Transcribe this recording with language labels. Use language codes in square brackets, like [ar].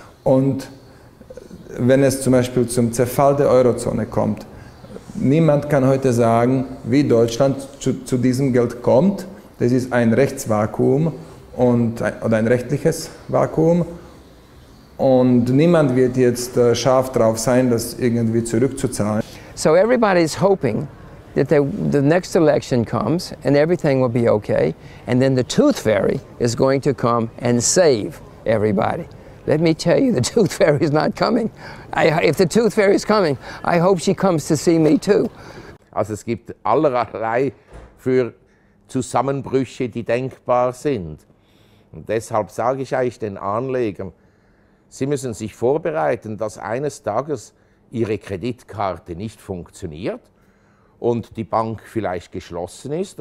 [de] Und wenn es zum Beispiel zum Zerfall der Eurozone kommt, niemand kann heute sagen, wie Deutschland zu diesem Geld kommt. Das ist ein Rechtsvakuum und, oder ein rechtliches Vakuum. Und niemand wird jetzt scharf drauf sein, das irgendwie zurückzuzahlen. [en] So everybody is hoping that the next election comes and everything will be okay. And then the Tooth Fairy is going to come and save everybody. Let me tell you, the Tooth Fairy is not coming. If the Tooth Fairy is coming, I hope she comes to see me too. [de] Also es gibt allerlei für Zusammenbrüche, die denkbar sind. Und deshalb sage ich eigentlich den Anlegern, sie müssen sich vorbereiten, dass eines Tages ihre Kreditkarte nicht funktioniert und die Bank vielleicht geschlossen ist.